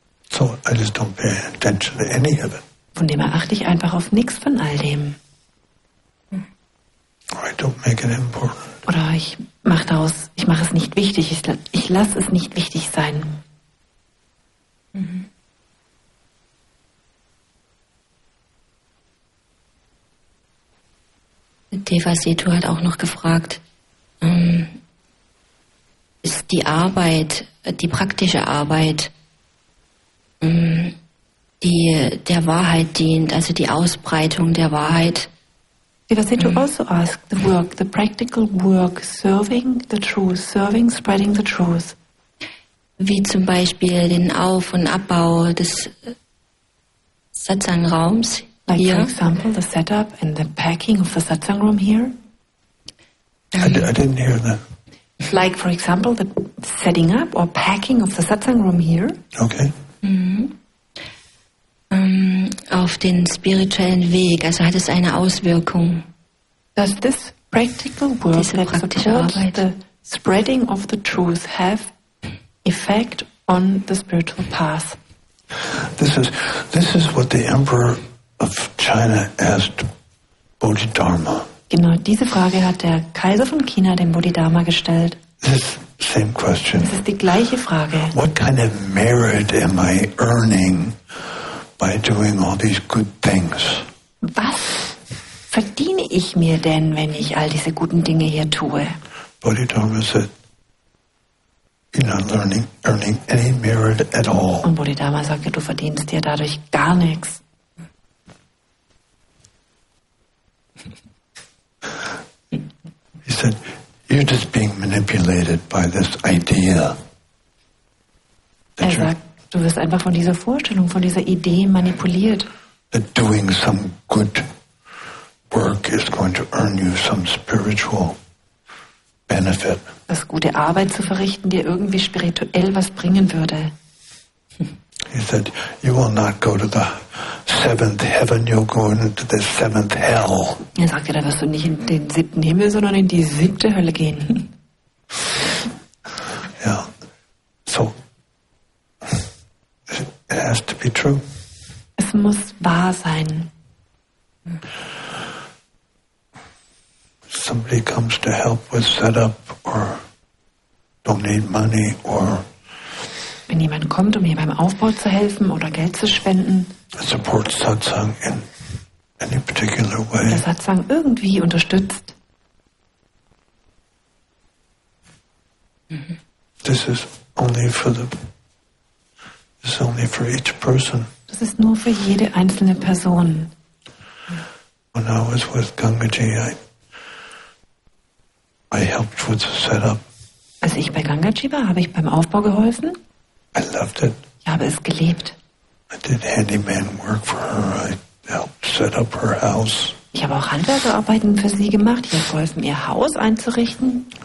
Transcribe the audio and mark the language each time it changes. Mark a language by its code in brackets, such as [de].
[en] So I just don't pay attention to any of it. [de] Von dem erachte ich einfach auf nichts von all dem. [en] Or I don't make it important. [de] Oder ich mache es nicht wichtig, ich lasse es nicht wichtig sein. Devasetu hat auch noch gefragt, ist die Arbeit, die praktische Arbeit, die der Wahrheit dient, also die Ausbreitung der Wahrheit. [en] Devasetu also asked the work, the practical work, serving the truth, serving, spreading the truth. [de] Wie zum Beispiel den Auf- und Abbau des Satsang-Raums. [en] Like, yeah. For example, the setup and the packing of the satsang room here. I didn't hear that. Like, for example, the setting up or packing of the satsang room here. Okay. Mm-hmm. [de] Auf den spirituellen Weg, also hat es eine Auswirkung. [en] Does this practical work that supports the spreading of the truth have effect on the spiritual path? This is what the emperor of China asked Bodhidharma. [de] Genau, diese Frage hat der Kaiser von China dem Bodhidharma gestellt. [en] This same question. [de] Das ist die gleiche Frage. [en] What kind of merit am I earning by doing all these good things? [de] Was verdiene ich mir denn, wenn ich all diese guten Dinge hier tue? [en] Bodhidharma said, you're not earning any merit at all. [de] Und Bodhidharma sagte, du verdienst dir dadurch gar nichts. [en] He said, you're just being manipulated by this idea. [de] Er sagt, du wirst einfach von dieser Vorstellung, von dieser Idee manipuliert. [en] That doing some good work is going to earn you some spiritual benefit. [de] Das gute Arbeit zu verrichten, dir irgendwie spirituell was bringen würde. [en] He said, you will not go to the seventh heaven, you'll go into the seventh hell. [de] Er sagte, da wirst du nicht in den siebten Himmel, sondern in die siebte Hölle gehen. [en] Ja, so, it has to be true. [de] Es muss wahr sein. [en] Somebody comes to help with setup or donate money or [de] wenn jemand kommt, um mir beim Aufbau zu helfen oder Geld zu spenden, [en] support Satsang in any particular way. [de] Der Satsang irgendwie unterstützt. [en] This is only for the. This is only for each person. [de] Das ist nur für jede einzelne Person. [en] When I was with Gangaji, I helped with the setup. [de] Als ich bei Gangaji war, habe ich beim Aufbau geholfen. [en] I loved it. [de] Ich habe es geliebt. [en] I did handyman work for her. I helped set up her house. [de] Ich habe auch Handwerkerarbeiten für sie gemacht. Ich habe geholfen, ihr Haus einzurichten.